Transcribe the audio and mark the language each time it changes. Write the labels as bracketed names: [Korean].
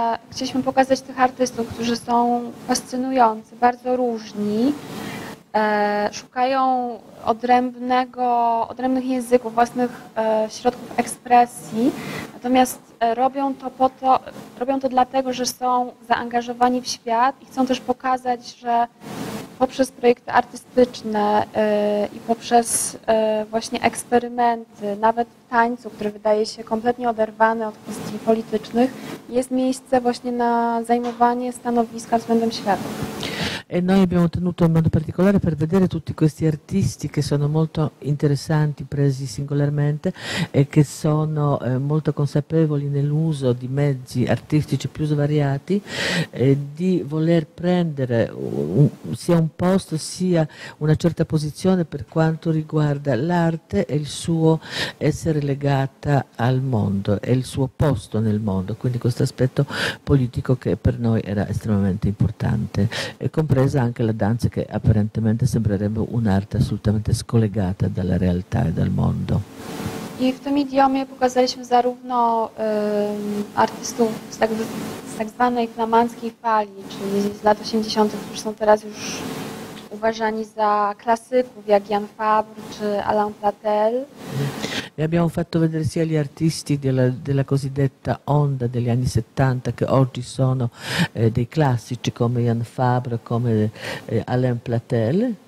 [Polish] Chcieliśmy pokazać tych artystów, którzy są fascynujący, bardzo różni, szukają odrębnych języków, własnych środków ekspresji, natomiast robią to dlatego, że są zaangażowani w świat i chcą też pokazać, że poprzez projekty artystyczne i poprzez właśnie eksperymenty, nawet w tańcu, który wydaje się kompletnie oderwany od kwestii politycznych, jest miejsce właśnie na zajmowanie stanowiska względem świata. [Italian] E noi abbiamo tenuto in modo particolare per vedere tutti questi artisti che sono molto interessanti, presi singolarmente, e che sono molto consapevoli nell'uso di mezzi artistici più svariati, di voler prendere sia un posto sia una certa posizione per quanto riguarda l'arte e il suo essere legata al mondo e il suo posto nel mondo, quindi questo aspetto politico che per noi era estremamente importante. Anche la danza, che apparentemente sembrerebbe un'arte assolutamente scollegata dalla realtà e dal mondo. [Polish] I w tym idiomie pokazaliśmy zarówno artystów z tak zwanej flamandzkiej fali, czyli z lat 80., którzy są teraz już uważani za klasyków, jak Jan Fabre czy Alain Platel. [Italian] E abbiamo fatto vedere sia gli artisti della cosiddetta onda degli anni 70, che oggi sono dei classici come Jan Fabre, come Alain Platel.